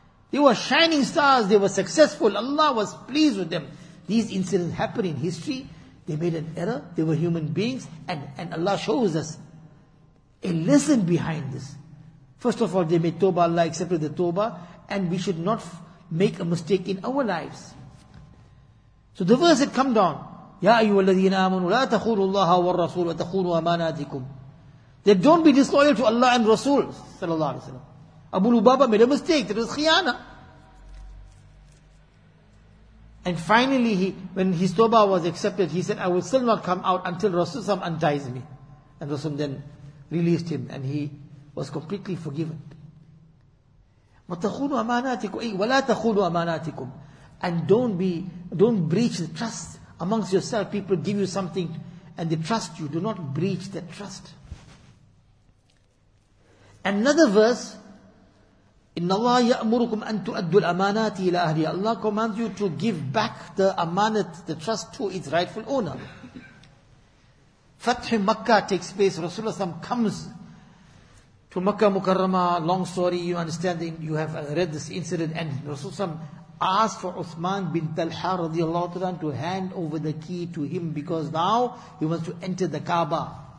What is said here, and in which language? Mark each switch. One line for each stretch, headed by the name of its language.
English: They were shining stars, they were successful, Allah was pleased with them. These incidents happen in history, they made an error, they were human beings, and Allah shows us a lesson behind this. First of all, they made tawbah, Allah accepted the tawbah, and we should not make a mistake in our lives. So the verse had come down, Ya
Arabic: أَيُّوَ الَّذِينَ آمَنُوا لَا تَخُونُوا اللَّهَ وَالرَّسُولُ وَتَخُونُوا أَمَانَاتِكُمْ.
English: That don't be disloyal to Allah and Rasul, sallallahu alayhi wa sallam. Abu Lubaba made a mistake, that was khiyana. And finally, when his tawbah was accepted, he said, I will still not come out until Rasul Sam undies me. And Rasul then released him, and he was completely forgiven.
Arabic: وَتَخُونُوا أَمَانَاتِكُمْ أَيْ وَلَا تَخُونُوا أَمَانَاتِكُمْ.
English: And don't breach the trust amongst yourself. People give you something and they trust you. Do not breach that trust. Another verse,
Arabic: إِنَّ اللَّهَ يَأْمُرُكُمْ أَن تُؤَدُّوا الْأَمَانَاتِ إِلَىٰ أَهْلِهَا.
English: Allah commands you to give back the amanat, the trust, to its rightful owner. Fath Makkah takes place. Rasulullah SAW comes to Makkah Mukarramah, long story, you understand, you have read this incident, and Rasulullah asked for Uthman bin Talha radiallahu ta'ala to hand over the key to him because now he wants to enter the Kaaba.